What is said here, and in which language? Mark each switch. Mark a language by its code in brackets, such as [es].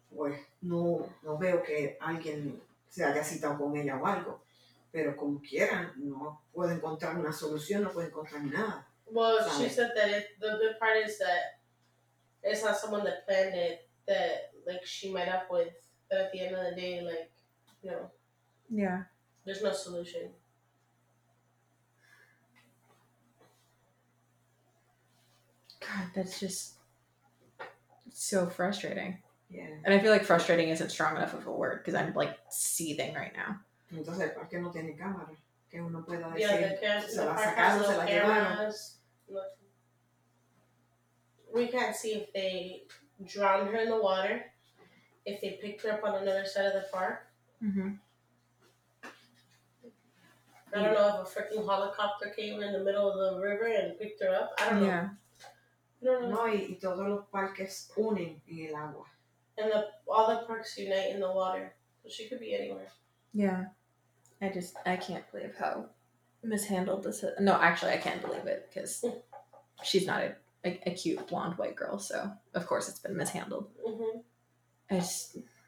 [es] Pues no, no veo que alguien se haya citado con ella o algo. Pero como quieran, no puede encontrar una solución, no puede encontrar nada. Well, ¿sabes? [en] She said that the good part is that it's not someone that planned it, that, like, she met up with. But at the end of the day, like, you know. Yeah. There's no solution. God, that's just so frustrating. Yeah. And I feel like frustrating isn't strong enough of a word because I'm like seething right now. [es] Entonces, ¿por qué no tiene cámara? Que uno pueda decir, [en] yeah, [es] se la sacaron, se la llevaron. [en] We can't see if they drowned her in the water, if they picked her up on another side of the park. Mm-hmm. I don't know if a freaking helicopter came in the middle of the river and picked her up. I don't know. Yeah. [es] No, y todos los parques unen en el agua. [en] And all the parks unite in the water. So she could be anywhere. Yeah. I can't believe how mishandled this is. No, actually, I can't believe it, because she's not a cute blonde white girl, so of course it's been mishandled. Mm-hmm.